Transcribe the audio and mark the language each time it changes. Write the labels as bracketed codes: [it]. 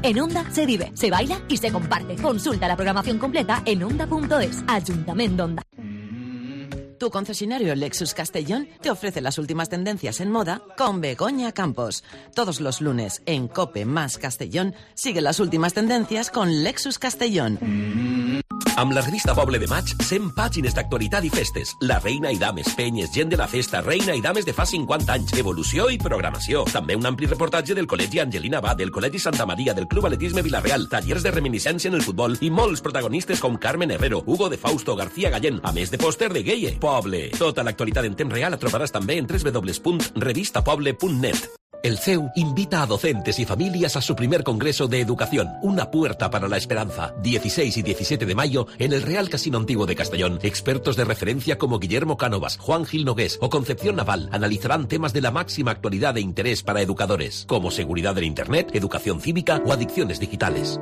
[es] En Onda se vive, se baila y se comparte. Consulta la programación completa en onda.es. Ayuntamiento Onda. Tu concesionario Lexus Castellón te ofrece las últimas tendencias en moda con Begoña Campos. Todos los lunes en COPE más Castellón sigue las últimas tendencias con Lexus Castellón. [ca] Amb la revista Poble de Maig, 100 pàgines d'actualitat i festes. La reina i dames, penyes, gent de la festa, reina i dames de fa 50 anys, evolució i programació. També un ampli reportatge del Col·legi Angelina Bà, del Col·legi Santa Maria, del Club Atletisme Vila-real, tallers de reminiscència en el futbol i molts protagonistes com Carmen Herrero, Hugo de Fausto, García Gallén, a més de pòster de Gueye. Poble. Tota l'actualitat en temps real la trobaràs també en www.revistapoble.net. [es] El CEU invita a docentes y familias a su primer congreso de educación, Una puerta para la esperanza. 16 y 17 de mayo en el Real Casino Antiguo de Castellón. Expertos de referencia como Guillermo Cánovas, Juan Gil Nogués o Concepción Naval analizarán temas de la máxima actualidad de interés para educadores, como seguridad en Internet, educación cívica o adicciones digitales.